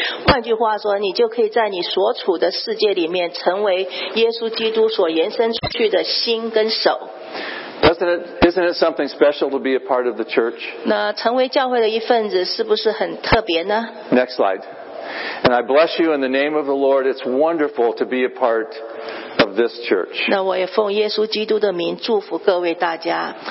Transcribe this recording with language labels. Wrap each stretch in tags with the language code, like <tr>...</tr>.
<zh>换句话说，你就可以在你所处的世界里面成为耶稣基督所延伸出去的心跟手。</zh> <en>Isn't it something special to be a part of the church?</en> <zh>那成为教会的一份子是不是很特别呢？</zh> <en>Next slide. And I bless you in the name of the Lord. It's wonderful to be a part of this church.</en> <zh>那我也奉耶稣基督的名祝福各位大家。</zh>